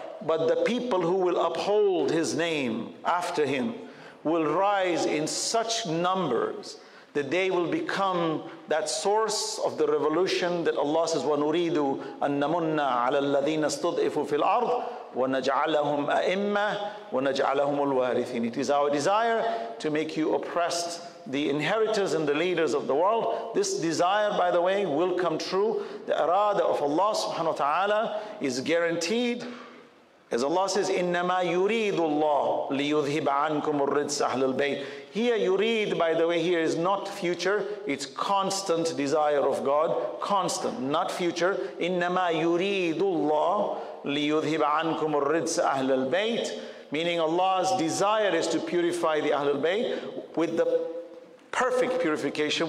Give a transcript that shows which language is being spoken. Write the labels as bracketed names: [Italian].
[English] But the people who will uphold his name after him will rise in such numbers that they will become that source of the revolution that Allah says, [Arabic] وَنُرِيدُ أَنَّمُنَّ عَلَى الَّذِينَ اسْتُضْعِفُوا فِي الْأَرْضِ وَنَجْعَلَهُمْ أَئِمَّةِ وَنَجْعَلَهُمُ الْوَارِثِينَ. [English] It is our desire to make you oppressed, the inheritors and the leaders of the world. This desire, by the way, will come true. The arada of Allah subhanahu wa ta'ala is guaranteed. As Allah says, [Arabic] إِنَّمَا يُرِيدُ اللَّهُ لِيُذْهِبَ عَنْكُمُ الرِّجْسَ أَهْلِ الْبَيْتِ. [English] Here, yurid, by the way, here is not future. It's constant desire of God. Constant, not future. [Arabic] إِنَّمَا يُرِيدُ اللَّهُ لِيُذْهِبَ عَنْكُمُ الرِّجْسَ أَهْلِ الْبَيْتِ. [English] Meaning Allah's desire is to purify the Ahlul Bayt with the perfect purification.